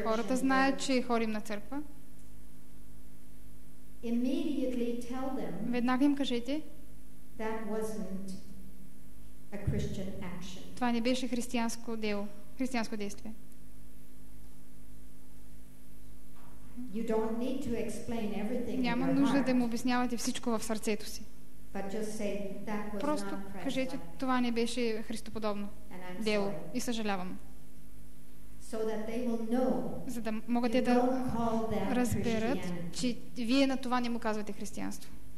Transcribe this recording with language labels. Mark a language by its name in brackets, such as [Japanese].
[Bulgarian] и хората знаят, че ходим на църква, [English] immediately tell them, [Bulgarian] веднага им кажете, [English] that wasn't a Christian action. [Bulgarian] Това не беше християнско дело, християнско действие. [English] You don't need to explain everything. [Bulgarian] Няма нужда да му обяснявате всичко в сърцето си. [English] But just say that was [Bulgarian] просто [English] not Christ-like. [Bulgarian] Кажете, това не беше христоподобно дело. И съжалявам. [English] So that they will know. [Bulgarian] За да могат да разберат, че вие на това не му казвате християнство.